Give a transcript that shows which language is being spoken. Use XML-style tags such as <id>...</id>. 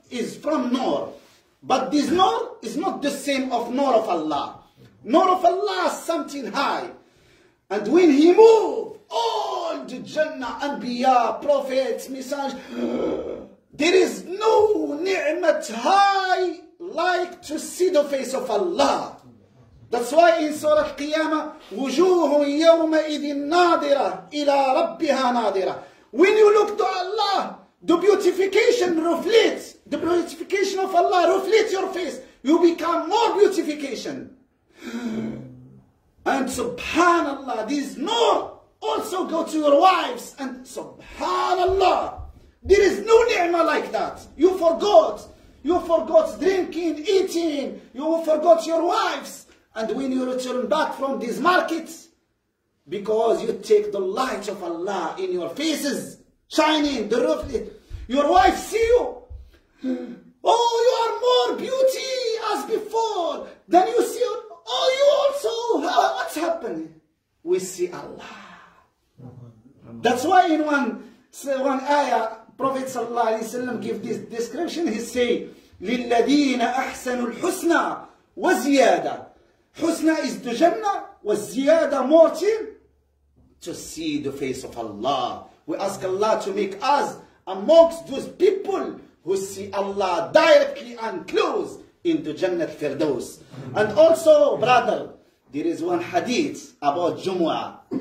<en>is from Nur, but this Nur is not the same of Nur of Allah. Nur of Allah is something high. And when he moved, all the Jannah, Anbiya, prophets, messengers, there is no ni'mat high like to see the face of Allah. That's why in Surah Al-Qiyamah,</en> <ar>وُجُوهٌ يَوْمَئِذٍ نَادِرَةٍ إِلَىٰ رَبِّهَا نَادِرَةٍ.</ar> <en>When you look to Allah, the beautification reflects, the beautification of Allah reflects your face. You become more beautification. And subhanallah, this nur also go to your wives. And subhanallah, there is no ni'mah like that. You forgot drinking, eating, you forgot your wives. And when you return back from these markets, because you take the light of Allah in your faces, shining, the roof, your wife see you. Oh, you are more beauty as before. Then you see, oh, you also, what's happening? We see Allah. That's why in one ayah, Prophet Sallallahu Alaihi Wasallam give this description. He say,</en> <ar>لِلَّذِينَ أَحْسَنُ الْحُسْنَى وَزِيَادَ.</ar> <en>Husna is the Jannah, was ziyada mortal to see the face of Allah. We ask Allah to make us amongst those people who see Allah directly and close in the Jannah Firdaus. And also, brother, there is one hadith about Jumu'ah.</en>